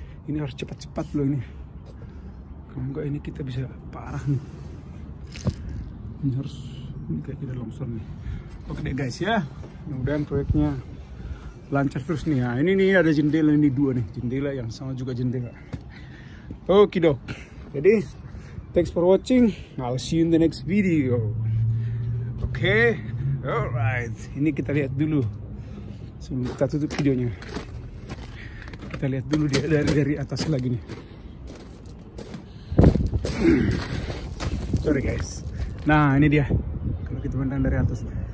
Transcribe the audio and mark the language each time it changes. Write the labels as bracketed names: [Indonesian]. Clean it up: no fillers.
[Indonesian] Ini harus cepat-cepat loh ini. Kalau enggak ini kita bisa parah nih. Ini harus, ini kayak tidak longsor nih. Oke deh guys ya. Mudah-mudahan proyeknya lancar terus nih ya. Ini ada jendela, ini dua nih. Jendela yang sama juga jendela. Okidok. Jadi, [English] thanks for watching. I'll see you in the next video. [Indonesian] Oke. [English] Okay. Alright. [Indonesian] Ini kita lihat dulu. Sebelum kita tutup videonya, kita lihat dulu dia dari atas lagi nih. [English] Sorry guys. [Indonesian] Nah ini dia. Kalau kita pandang dari atas.